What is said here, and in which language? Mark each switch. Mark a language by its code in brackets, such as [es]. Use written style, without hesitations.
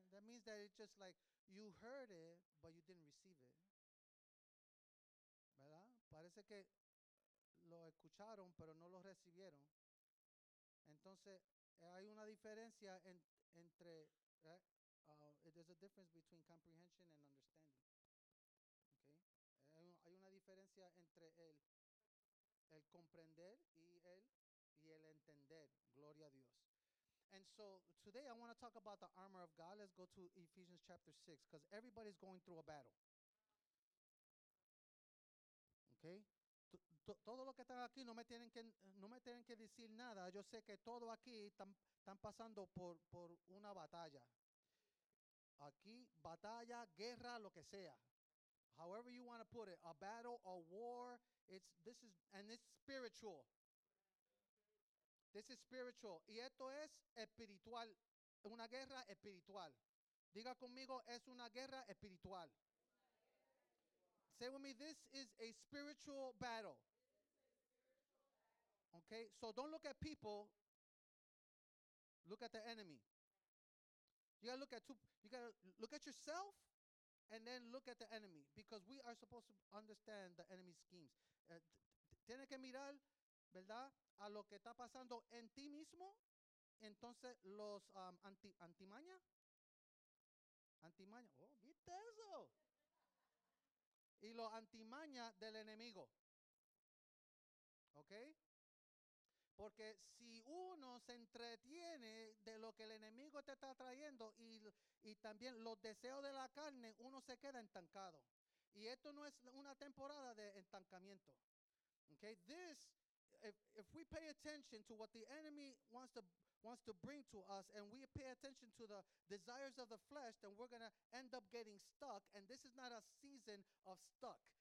[en] That means that it's just like you heard it, but you didn't receive it. [es] ¿Verdad? Parece que lo escucharon, pero no lo recibieron. Entonces, hay una diferencia entre, [en] there's a difference between comprehension and understanding. Okay? [es] Hay una diferencia entre el comprender y el entender. Gloria a Dios. [en] And so, today I want to talk about the armor of God. Let's go to Ephesians chapter 6, because everybody's going through a battle. Okay? [es] Todo lo que están aquí no me tienen que decir nada. Yo sé que todo aquí están pasando por una batalla. Aquí, batalla, guerra, lo que sea. [en] However you want to put it, a battle, a war, it's spiritual. This is spiritual. [es] Y esto es espiritual, una guerra espiritual. Diga conmigo, es una guerra espiritual. [en] Say with me, this is a spiritual battle. This is a spiritual battle. Okay, so don't look at people. Look at the enemy. You gotta look at yourself and then look at the enemy. Because we are supposed to understand the enemy's schemes. [es] Tiene que mirar, ¿verdad?, a lo que está pasando en ti mismo. Entonces, los antimaña. Antimaña. Oh, ¿viste eso? Y los antimaña del enemigo. ¿Ok? Porque si uno se entretiene de lo que el enemigo te está trayendo y también los deseos de la carne, uno se queda estancado. Y esto no es una temporada de estancamiento. ¿Ok? [en] If we pay attention to what the enemy wants to bring to us, and we pay attention to the desires of the flesh, then we're going to end up getting stuck. And this is not a season of stuck.